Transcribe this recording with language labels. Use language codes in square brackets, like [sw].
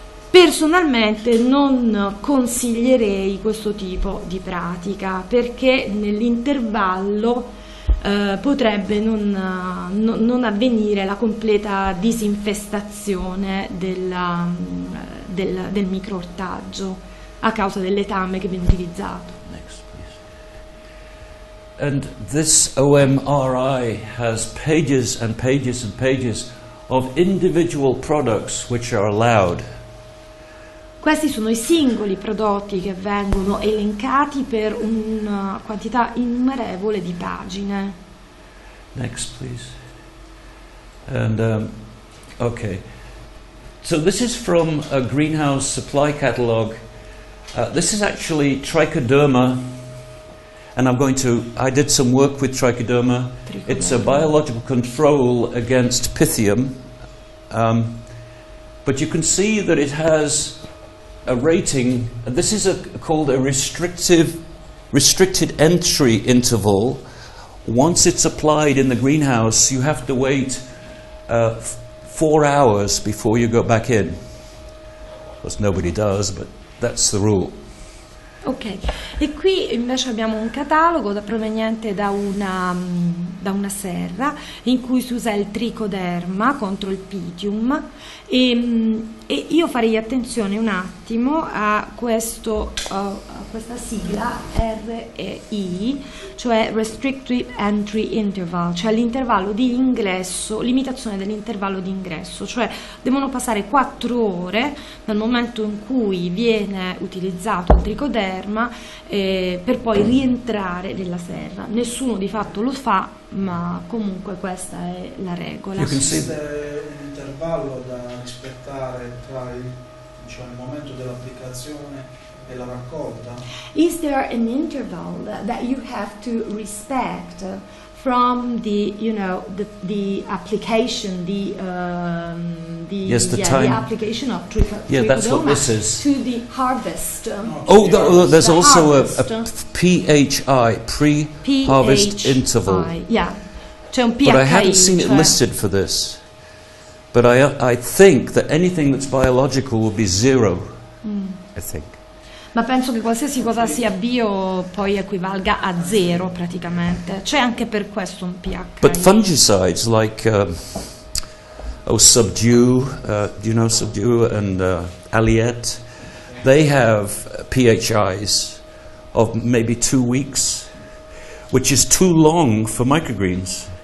[it] Personalmente non consiglierei questo tipo di pratica, perché nell'intervallo potrebbe non avvenire la completa disinfestazione del microortaggio a causa del letame che viene utilizzato. [en] And this OMRI has pages and pages and pages of individual products which are allowed. [it] Questi sono i singoli prodotti che vengono elencati per una quantità innumerevole di pagine. [en] Next, please. And okay. So this is from a greenhouse supply catalog. This is actually Trichoderma. And I'm going to, I did some work with Trichoderma. It's a biological control against Pythium. But you can see that it has a rating. This is called a restricted entry interval. Once it's applied in the greenhouse, you have to wait 4 hours before you go back in. Of course, nobody does, but that's the rule. [it] Ok, e qui invece abbiamo un catalogo proveniente da una serra in cui si usa il Trichoderma contro il Pythium e io farei attenzione un attimo a questo questa sigla REI, cioè Restrictive Entry Interval, cioè l'intervallo di ingresso, limitazione dell'intervallo di ingresso, cioè devono passare 4 ore dal momento in cui viene utilizzato il tricoderma per poi rientrare nella serra. Nessuno di fatto lo fa, ma comunque questa è la regola. Esiste un intervallo da rispettare tra il momento dell'applicazione e la raccolta? [en] Is there an interval that you have to respect from the, you know, the application of tricoderma? Yeah, that's what this is. To the harvest. There's the also a PHI, pre-harvest PHI, interval. Yeah. [it] C'è un [en] PHI, but I hadn't seen it listed for this. But I think that anything that's biological will be zero. I think. [it] Ma penso che qualsiasi cosa sia bio poi equivalga a zero praticamente. C'è anche per questo un pH. [en] But fungicides like Subdue and Aliette, they have PHIs of maybe 2 weeks, which is too long for microgreens.